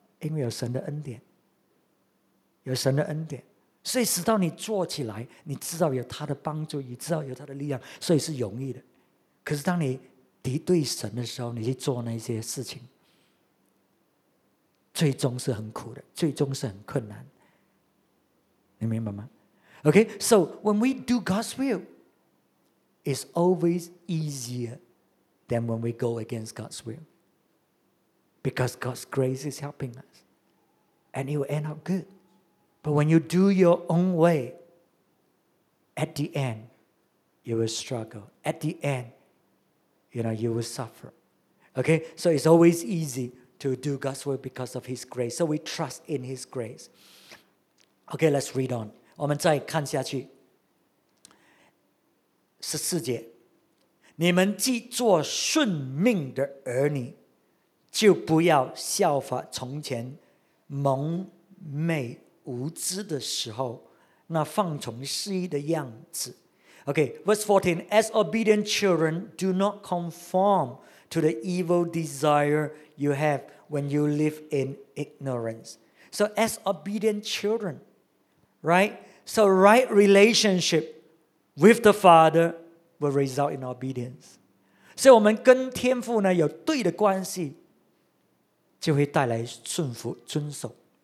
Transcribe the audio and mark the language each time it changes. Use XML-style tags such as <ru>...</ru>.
<zh>因为有神的恩典，有神的恩典，所以使到你做起来，你知道有他的帮助，你知道有他的力量，所以是容易的。可是当你敌对神的时候，你去做那些事情，最终是很苦的，最终是很困难。你明白吗？</zh> <en>Okay, so when we do God's will, it's always easier than when we go against God's will. Because God's grace is helping us. And it will end up good. But when you do your own way, at the end, you will struggle. At the end, you know, you will suffer. Okay, so it's always easy to do God's will because of His grace. So we trust in His grace. Okay, let's read on.</en> <zh>我们再看下去。十四节，你们既做顺命的儿女，就不要效法从前蒙昧无知的时候那放纵肆意的样子。</zh> <en>Okay, verse 14, as obedient children, do not conform to the evil desire you have when you live in ignorance. So as obedient children, right? So right relationship with the Father will result in obedience.</en> <zh>所以我们跟天父呢有对的关系，就会带来顺服遵守。</zh>